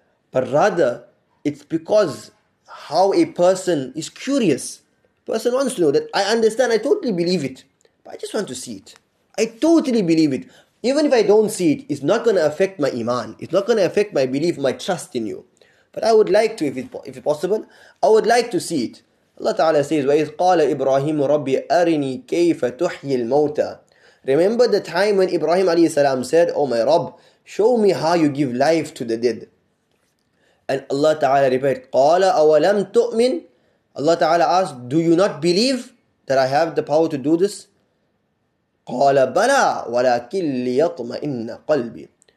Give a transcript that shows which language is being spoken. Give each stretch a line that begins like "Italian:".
English: But rather, it's because how a person is curious. Person wants to know that, I understand, I totally believe it, but I just want to see it. I totally believe it. Even if I don't see it, it's not going to affect my iman. It's not going to affect my belief, my trust in you. But I would like to, if it's possible, I would like to see it. Allah Ta'ala says,
Arabic: وَإِذْ قَالَ إِبْرَاهِيمُ رَبِّ أَرِنِي كَيْفَ تُحْيِي الْمَوْتَى.
English: Remember the time when Ibrahim alayhi salam said, oh my Rabb, show me how you give life to the dead. And Allah Ta'ala replied,
Arabic: قَالَ أَوَلَمْ تُؤْمِنْ.
English: Allah Ta'ala asked, do you not believe that I have the power to do this?
Arabic: قَالَ بَلَىٰ وَلَكِنْ لِيَطْمَئِنَّ قَلْبِي.